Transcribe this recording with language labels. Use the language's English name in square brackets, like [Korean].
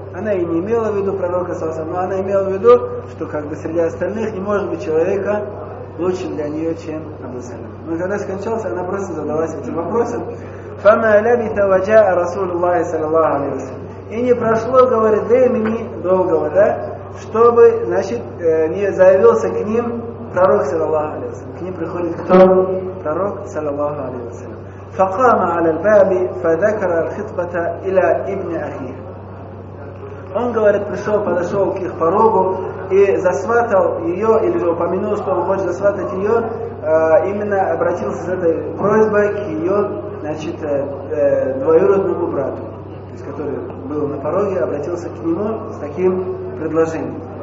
[Russian] Она и не имела в виду пророка, но она имела в виду, что как бы среди остальных не может быть человека лучше для нее, чем Абу Салям. Но когда скончался, она просто задалась этим вопросом. [Arabic] فَمَا لَبِثَ وَجَاءَ رَسُولُ اللَّهِ صَلَى اللَّهُ عَلَيْهِ وَسَلَّمَ [Russian] И не прошло, говорит, времени долгого, да, чтобы, значит, не заявился к ним пророк, صلى الله عليه وسلم. К ним приходит кто? [Arabic] Пророк, صلى الله عليه وسلم. فَقَامَ عَلَى الْبَابِ فَذَكَرَ الْخِطْبَةَ إِلَى إِبْنِ أَخِيهِ [Russian] Он, говорит, пришел, подошел к их порогу и засватал ее, или же упомянул, что он хочет засватать ее, именно обратился с этой просьбой к ее, значит, двоюродному брату, то есть, который был на пороге, обратился к нему с таким предложением.